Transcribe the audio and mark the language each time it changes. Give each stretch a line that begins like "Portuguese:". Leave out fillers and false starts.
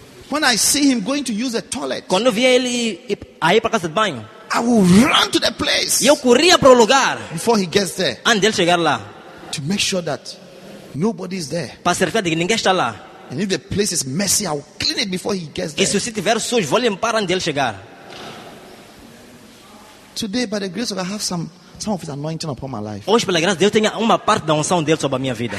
English: When I see him going to use a toilet.
Portuguese: Quando via ele aí para casa de banho.
English: I will run to the place.
Portuguese: Eu corria para o lugar.
English: Before he gets there.
Portuguese: Antes dele chegar lá.
English: To make sure that nobody is there.
Portuguese: Para certificar de que ninguém está lá.
English: And if the place is messy, I'll clean it before he gets there.
Portuguese: E se o sítio estiver sujo, vou limpar antes dele chegar.
English: Today, by the grace of God, I have some of his anointing upon my life.
Portuguese: Hoje, pela graça, Deus tem uma parte da unção dele sobre a minha vida.